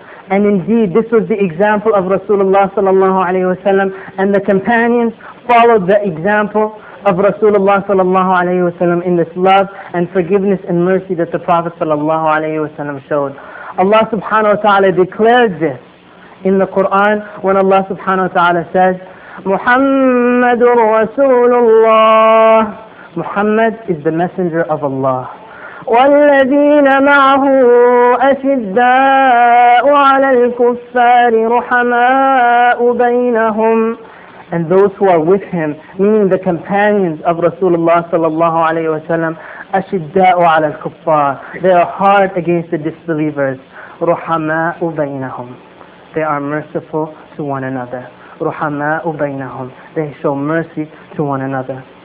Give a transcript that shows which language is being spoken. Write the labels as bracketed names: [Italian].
[English] And indeed, this was the example of Rasulullah sallallahu alayhi wa sallam, and the companions followed the example of Rasulullah sallallahu alayhi wa sallam in this love and forgiveness and mercy that the Prophet sallallahu alayhi wa sallam showed. Allah subhanahu wa ta'ala declared this in the Quran when Allah subhanahu wa ta'ala says, Muhammadur Rasulullah. Muhammad is the messenger of Allah. [Arabic] والذين معه أشداء على الكفار رحماء بينهم. [English] And those who are with him, meaning the companions of Rasulullah sallallahu alayhi wa sallam, [Arabic] أشداء على الكفار, [English] they are hard against the disbelievers. [Arabic] رحماء بينهم, [English] they are merciful to one another. [Arabic] رُحَمَاءُ بَيْنَهُمْ [English] They show mercy to one another.